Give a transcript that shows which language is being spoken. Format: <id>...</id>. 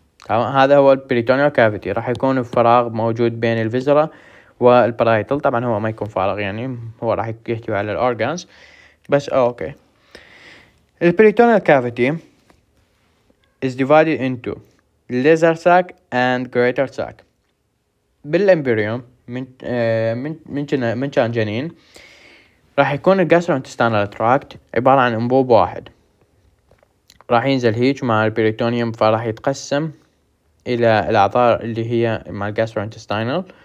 <ar>هذا هو البريتونيال كافيتي، راح يكون الفراغ موجود بين الفيسيرا والبرايتال. طبعا هو ما يكون فراغ يعني، هو راح يحتوي على الأورغانز بس.</ar> <en>Okay, البريتونيال cavity is divided into lesser sac and greater sac.</en> <ar>بالإمبريوم من كان جنين راح يكون الجاسترونتستانال تراكت عبارة عن أنبوب واحد، راح ينزل هيج مع البريتونيوم، فراح يتقسم إلى الأعضاء اللي هي مع الجاسترونتستانال.</ar>